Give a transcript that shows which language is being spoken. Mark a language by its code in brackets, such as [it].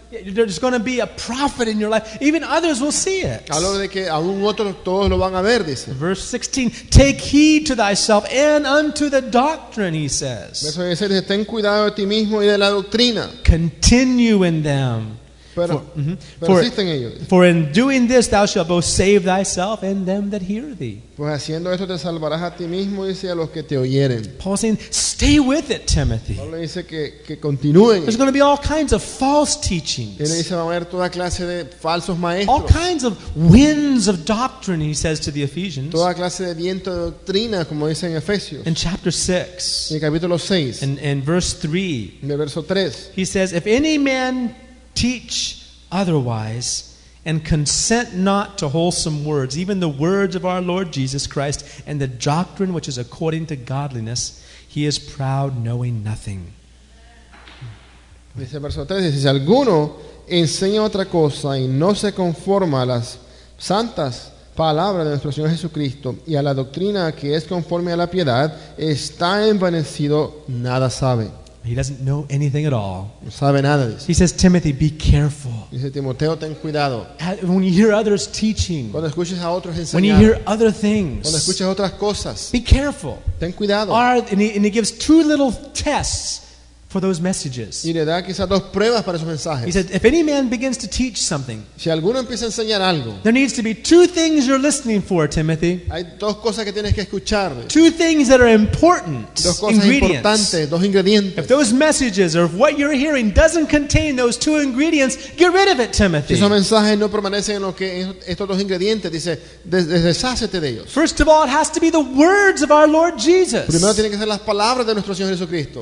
[en] There's going to be a prophet in your life. Even others will see it. [es] Hablo de que aún otros todos lo van a ver, dice. [en] Verse 16, take heed to thyself and unto the doctrine, he says. [es] Verso 16, ten cuidado de ti mismo y de la doctrina. [en] Continue in them. For in doing this thou shalt both save thyself and them that hear thee. [es] Pues haciendo esto te salvarás a ti mismo y a los que te oyeren. [en] Paul saying, stay with it, Timothy. [es] Pablo dice que continúen. [en] There's going to be all kinds of false teachings. [es] Y le dice, va a haber toda clase de falsos maestros. [en] All kinds of winds of doctrine, he says to the Ephesians. [es] Toda clase de viento de doctrina, como dice en Efesios. [en] In chapter 6. [es] En el capítulo 6. [en] In verse 3. [es] En el verso 3. [en] He says, if any man teach otherwise, and consent not to wholesome words, even the words of our Lord Jesus Christ, and the doctrine which is according to godliness, he is proud, knowing nothing. [es] Dice el verso 13, si alguno enseña otra cosa y no se conforma a las santas palabras de nuestro Señor Jesucristo y a la doctrina que es conforme a la piedad, está envanecido, nada sabe. [en] He doesn't know anything at all. [es] No sabe nada. [en] He says, Timothy, be careful. [es] Dice Timoteo, ten cuidado. [en] When you hear others teaching, [es] cuando escuches a otros enseñar, [en] when you hear other things, [es] cuando escuches otras cosas, [en] be careful. [es] Ten cuidado. [en] And he gives two little tests for those messages. [es] Y le da quizás dos pruebas para esos mensajes. [en] He said, if any man begins to teach something, [es] si alguno empieza a enseñar algo, [en] there needs to be two things you're listening for, Timothy. [es] Hay dos cosas que tienes que escuchar. [en] Two things that are important, [es] dos cosas [en] ingredients. [es] Importantes, dos ingredientes. [en] If those messages or if what you're hearing doesn't contain those two ingredients, get rid of it, Timothy. [es] Si esos mensajes no permanecen en lo que estos dos ingredientes, dice, deshácete de ellos. [en] First of all, it has to be the words of our Lord Jesus. [es] Primero tienen que ser las palabras de nuestro Señor Jesucristo.